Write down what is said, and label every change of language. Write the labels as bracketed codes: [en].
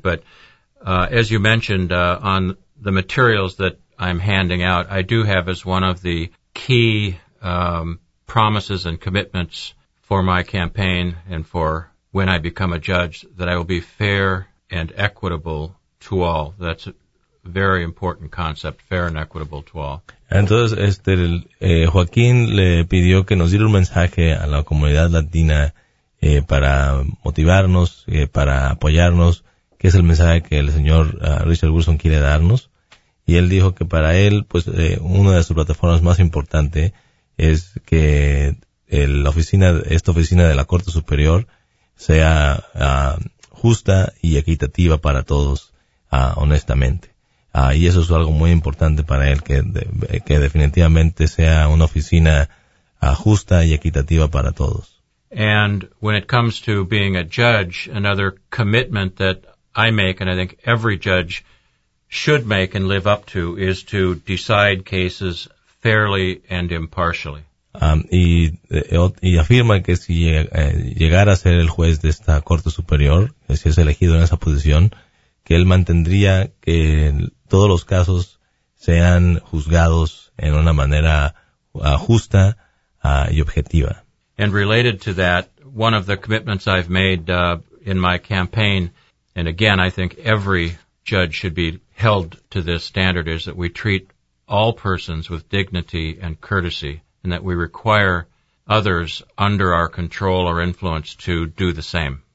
[en] But as you mentioned, on the materials that I'm handing out, I do have as one of the key promises and commitments for my campaign and for when I become a judge, that I will be fair and equitable to all. That's a very important concept, fair and equitable to all. [es] Entonces, Joaquín le pidió que nos diera un mensaje a la comunidad latina para motivarnos, para apoyarnos, que es el mensaje que el señor Richard Wilson quiere darnos. Y él dijo que para él, pues, una de sus plataformas más importantes es que esta oficina de la Corte Superior sea justa y equitativa para todos, honestamente. Y eso es algo muy importante para él, que definitivamente sea una oficina justa y equitativa para todos. [en] And when it comes to being a judge, another commitment that I make, and I think every judge should make and live up to, is to decide cases fairly and impartially. [es] Y afirma que si llegara a ser el juez de esta Corte Superior, si es elegido en esa posición, que él mantendría que todos los casos sean juzgados en una manera justa y objetiva. [en] And related to that, one of the commitments I've made in my campaign, and again, I think every judge should be held to this standard, is that we treat all persons with dignity and courtesy, and that we require others under our control or influence to do the same.